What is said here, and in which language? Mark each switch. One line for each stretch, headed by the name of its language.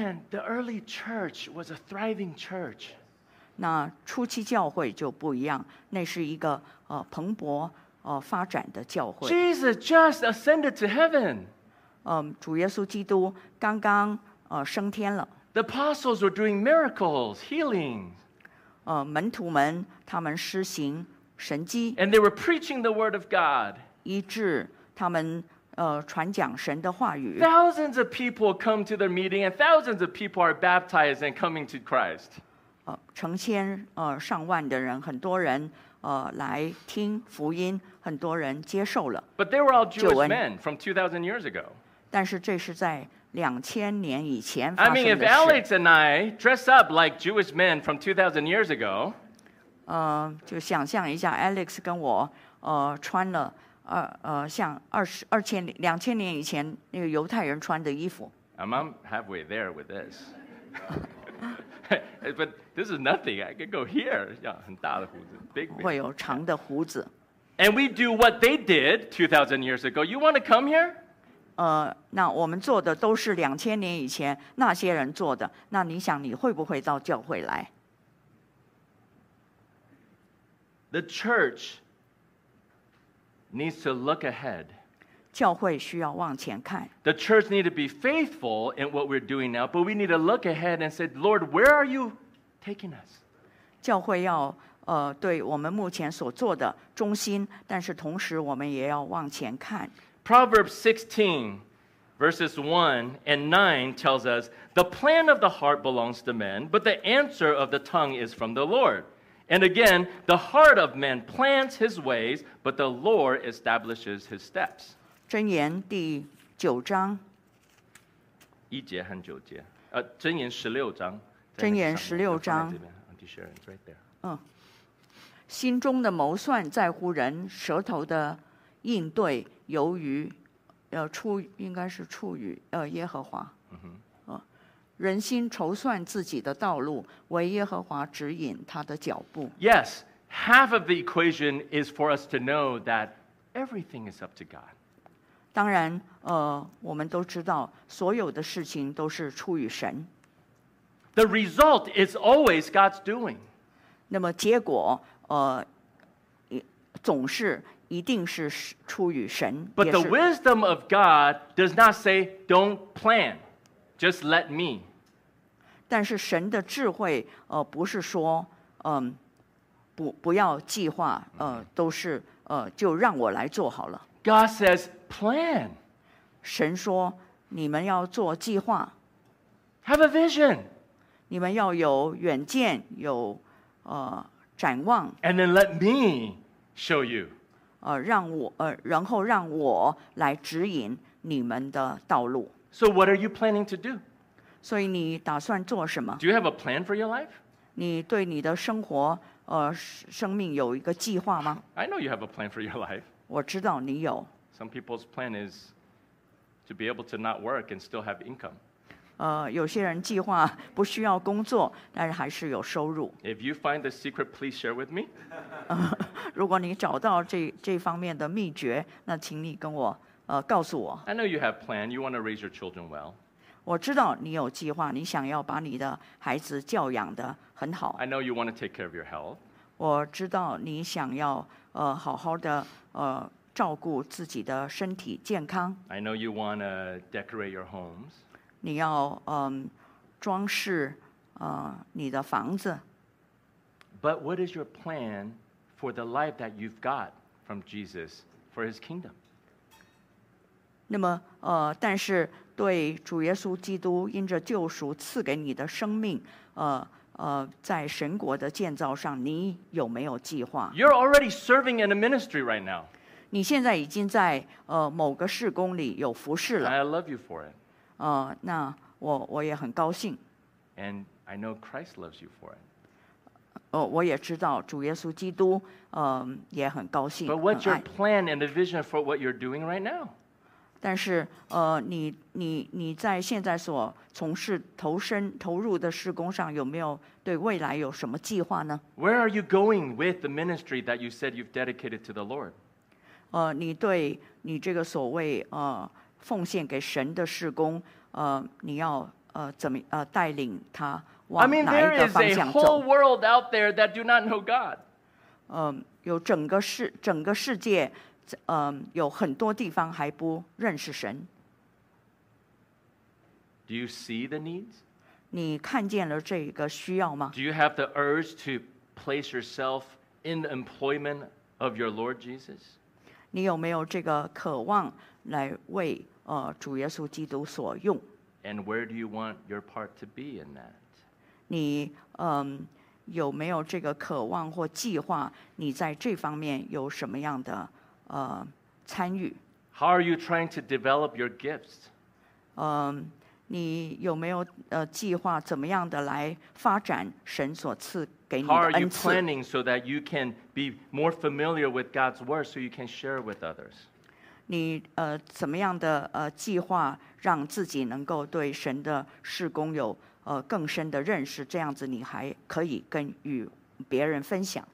English: Man, the early church was a thriving church.
Chinese: 那初期教会就不一样，那是一个蓬勃发展的教会。
English: Jesus just ascended to heaven.
Chinese: 主耶稣基督刚刚升天了。
English: The apostles were doing miracles, healings.
Chinese: 门徒们他们施行神迹。
English: And they were preaching the word of God.
Chinese: 医治他们传讲神的话语。
English: Thousands of people come to their meeting, and thousands of people are baptized and coming to Christ.
Chinese: 成千上万的人，很多人来听福音，很多人接受了。
English: But they were all Jewish men from 2,000 years ago.
Chinese: 但是这是在两千年以前发生的事。
English: I mean, if Alex and I dress up like Jewish men from 2,000 years ago,
Chinese: 就想象一下 ，Alex 跟我穿了。像两千年以前那个犹太人穿的衣服。
English: I'm halfway there with this. But this is nothing. I could go here. Yeah,
Chinese: 很大的胡子
English: big.
Chinese: 会有长的胡子。
English: And we do what they did 2,000 years ago. You want to come here?
Chinese: 那我们做的都是两千年以前那些人做的。那你想你会不会到教会来
English: ？The church. Needs to look ahead.
Chinese: 教会需要往前看。
English: The church needs to be faithful in what we're doing now, but we need to look ahead and say, Lord, where are you taking us?
Chinese: 教会要对我们目前所做的忠心，但是同时我们也要往前看。
English: Proverbs 16, verses 1 and 9 tells us, The plan of the heart belongs to men, but the answer of the tongue is from the Lord. And again, the heart of man plans his ways, but the Lord establishes his steps.
Chinese: 箴言第九章一节和九节，箴言十六章。箴言十六章。第十二章 ，
English: right there。
Chinese: 心中的谋算在乎人，舌头的应对由于，应该是出于耶和华。嗯哼。人心筹算自己的道路，为耶和华指引他的脚步。
English: Yes, half of the equation is for us to know that everything is up to God.
Chinese: 当然，我们都知道，所有的事情都是出于神。
English: The result is always God's doing.
Chinese: 那么结果，总是一定是出于神。
English: But the wisdom of God does not say, "Don't plan." Just let me.
Chinese: 但是神的智慧，不是说，不要计划，都是，就让我来做好了。
English: God says plan.
Chinese: 神说，你们要做计划。
English: Have a vision.
Chinese: 你们要有远见，有，展望。
English: And then let me show you.
Chinese: 让我，然后让我来指引你们的道路。
English: So what are you planning to do?
Chinese: 所以你打算做什么？
English: Do you have a plan for your life?
Chinese: 你对你的生活，生命有一个计划吗？
English: I know you have a plan for your life.
Chinese: 我知道你有。
English: Some people's plan is to be able to not work and still have income.
Chinese: 有些人计划不需要工作，但是还是有收入。
English: If you find the secret, please share with me.
Chinese: 如果你找到这方面的秘诀，那请你跟我。告诉我。
English: I know you have plan. You want to raise your children well.
Chinese: 我知道你有计划，你想要把你的孩子教养得很好。
English: I know you want to take care of your health.
Chinese: 我知道你想要好好的照顾自己的身体健康。
English: I know you want to decorate your homes.
Chinese: 你要装饰你的房子。
English: But what is your plan for the life that you've got from Jesus for His kingdom?
Chinese: 那么但是对主耶稣基督因着救赎赐给你的生命在神国的建造上你有没有计划
English: You're already serving in a ministry right now.
Chinese: 你现在已经在某个事工里有服侍了。
English: I love you for it.
Chinese: 那我也很高兴。
English: And I know Christ loves you for it.
Chinese: 我也知道主耶稣基督也很高兴。
English: But what's your plan and the vision for what you're doing right now?
Chinese: 但是你在现在所从事投入的事工上有没有对未来有什么计划呢
English: Where are you going with the ministry that you said you've dedicated to the Lord?
Chinese: 你对你这个所谓奉献给神的事工你要怎么带领他往哪一个方向走
English: I mean, there is a whole world out there that do not know God.
Chinese: 有整个世界有很多地方还不认识神。
English: Do you see the needs?
Chinese: 你看见了这个需要吗
English: ？Do you have the urge to place yourself in the employment of your Lord Jesus?
Chinese: 你有没有这个渴望来为主耶稣基督所用？
English: And where do you want your part to be in that?
Chinese: 你有没有这个渴望或计划你在这方面有什么样的参与？
English: How are you trying to develop your gifts?
Chinese: 你有没有计划怎么样的来发展神所赐给你的恩赐？
English: How are you planning so that you can be more familiar with God's word so you can share with others?
Chinese: 你怎么样的计划让自己能够对神的事工有更深的认识，这样子你还可以跟与别人分享。